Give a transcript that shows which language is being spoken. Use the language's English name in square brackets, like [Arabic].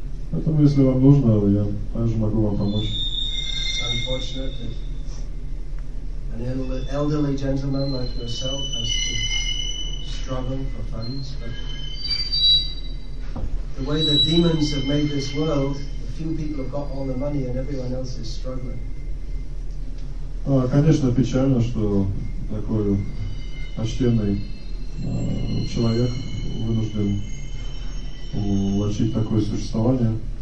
[Russian] поэтому, если вам нужно, я также могу вам помочь. [English] It's unfortunate that an elderly gentleman like yourself has to struggle for funds, but the way the demons have made this world, a few people have got all the money and everyone else is struggling. [Russian] Конечно, печально, что такой почтенный человек вынужден влачить такое существование.